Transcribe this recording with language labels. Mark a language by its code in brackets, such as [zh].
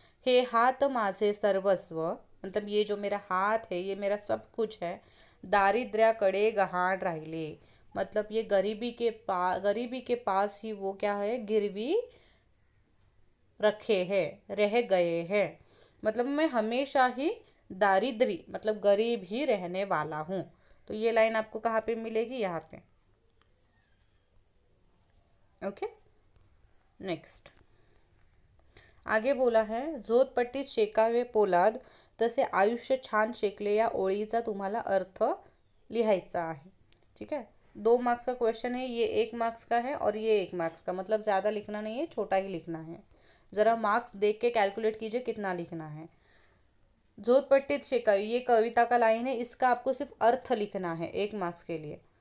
[mr] हे हाथ माझे सर्वस्व, [hi] मतलब ये जो मेरा हाथ है, ये मेरा सब कुछ है, [mr] दारिद्र्याकडे गहाण राहिले, [hi] मतलब ये गरीबी के पास ही वो क्या है, गिरवी रखे है, रह गए हैं, मतलब मैं हमेशा ही दारिद्री, मतलब गरीब ही रहने वाला हूँ। तो ये लाइन आपको कहाँ पे मिलेगी, यहाँ पे। ओके, नेक्स्ट, आगे बोला है, [mr] जोत पट्टी शेकावे पोलाद तसे आयुष्य छान शेकले, या ओळीचा तुम्हाला अर्थ लिहायचा आहे। [hi] ठीक है, 2 मार्क्स का क्वेश्चन है, ये 1 मार्क्स का है और ये 1 मार्क्स का, मतलब ज़्यादा लिखना नहीं है, छोटा ही लिखना है, ज़रा मार्क्स देख के कैलकुलेट कीजिए कितना लिखना है। [mr] जोत पट्टी शेकावे, [hi] ये कविता का लाइन है, इसका आपको सिर्फ अर्थ लिखना है 1 मार्क्स के लिए।